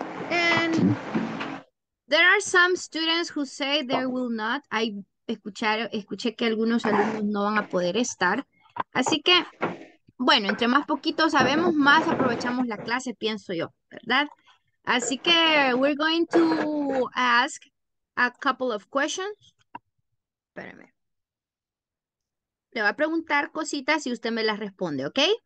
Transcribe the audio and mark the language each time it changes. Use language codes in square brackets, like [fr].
[en] There are some students who say they will not. [es] Escuché que algunos alumnos no van a poder estar. Así que, bueno, entre más poquito sabemos, más aprovechamos la clase, pienso yo, ¿verdad? Así que [en] we're going to ask a couple of questions. [es] Espérame. Le voy a preguntar cositas y usted me las responde, ¿ok?